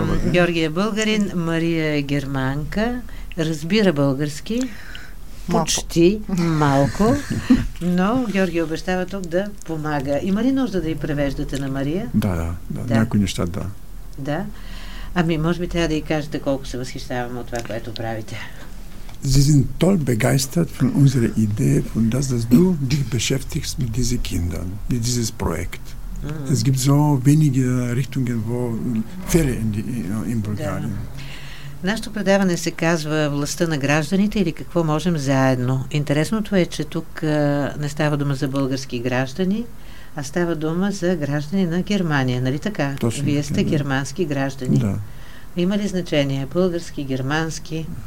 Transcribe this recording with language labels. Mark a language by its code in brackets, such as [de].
[bg] Георги е българин, Мария е германка. Разбира български. Почти. Малко. Но Георги обещава тук да помага. Има ли нужда да ѝ превеждате на Мария? Да, да. Да. Някои неща, да. Да. Ами, може би трябва да ѝ кажете колко се възхищавам от това, което правите. [de] Sie sind toll begeistert von unserer Idee und das, dass du dich beschäftigst mit diesen Kindern, mit dieses Projekt. Mm. Es gibt so wenige Richtungen, wo Ferien in Bulgarien. [bg] Нашето предаване се казва Властта на гражданите или какво можем заедно. Интересното е, че тук не става дума за български граждани, а става дума за граждани на Германия. Нали така? Точно. Вие сте германски граждани. Да. Има ли значение? Български, германски?